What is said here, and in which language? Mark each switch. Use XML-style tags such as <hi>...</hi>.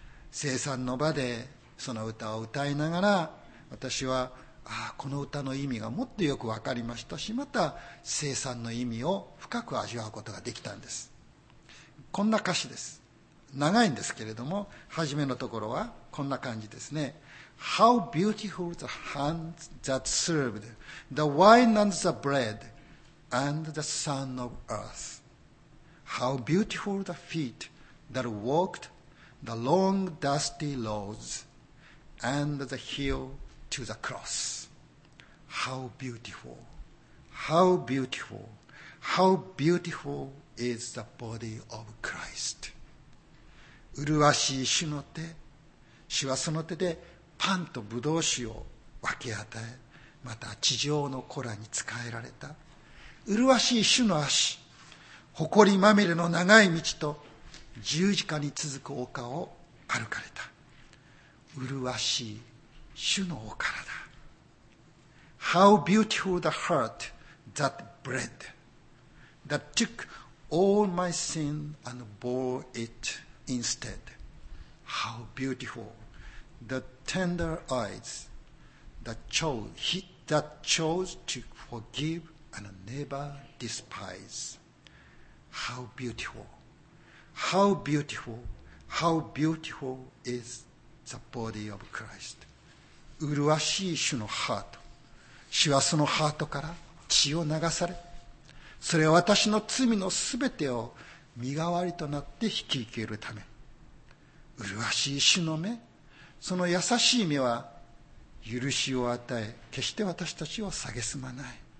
<ja>聖餐の場でその歌を歌いながら、私はこの歌の意味がもっとよく分かりましたし、また聖餐の意味を深く味わうことができたんです。こんな歌詞です。長いんですけれども、初めのところはこんな感じですね。</ja> <en>How beautiful the hands that served the wine and the bread and the son of earth. How beautiful the feet that walked the long dusty roads and the hillTo the cross. How beautiful, how beautiful, how beautiful is the body of Christ.</en> <ja>麗しい主の手、主はその手でパンとブドウ酒を分け与え、また地上の子らに仕えられた。麗しい主の足、誇りまみれの長い道と十字架に続く丘を歩かれた。麗しい主のお体。</ja> <en>How beautiful the heart that bled, that took all my sin and bore it instead. How beautiful the tender eyes that chose, to forgive and never despise. How beautiful, how beautiful, how beautiful is the body of Christ.</en> <ja>麗しい主のハート、主はそのハートから血を流され、それは私の罪のすべてを身代わりとなって引き受けるため。麗しい主の目、その優しい目は許しを与え、決して私たちを蔑まない。</ja>